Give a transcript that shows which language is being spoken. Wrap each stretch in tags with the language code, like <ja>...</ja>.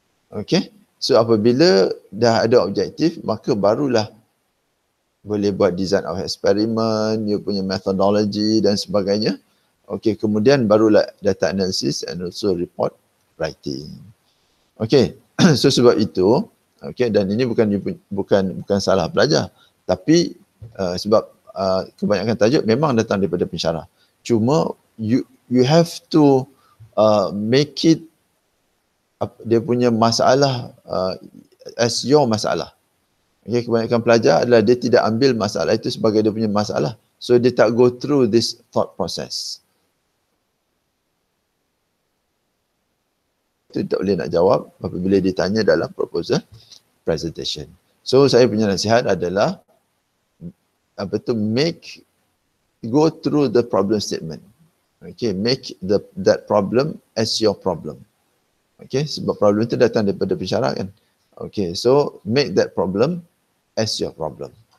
<ms>Okay, so apabila dah ada objektif, maka barulah boleh buat</ms> <en>design of experiment,</en> <ms>you punya methodology dan sebagainya.</ms> <en>Okay, kemudian barulah data analysis and also report writing.</en> <ms>Okay, so sebab itu, okay, dan ini bukan bukan salah pelajar, tapi sebab kebanyakan tajuk memang datang daripada pensyarah.</ms> <en>Cuma you have to make it</en> <ms>dia punya masalah</ms> <en>as your masalah.</en> <ms>Okay, kebanyakan pelajar adalah dia tidak ambil masalah itu sebagai dia punya masalah. So dia tak</ms> <en>go through this thought process.</en> <ms>Itu tak boleh nak jawab apabila ditanya dalam proposal presentation.</ms> <en>So</en> <ms>saya punya nasihat adalah apa tu,</ms> <en>make, go through the problem statement. Okay, make the that problem as your problem.</en> <ms>Okay, sebab problem itu datang daripada pensyarah kan.</ms> <en>Okay, so make that problem as your problem.</en>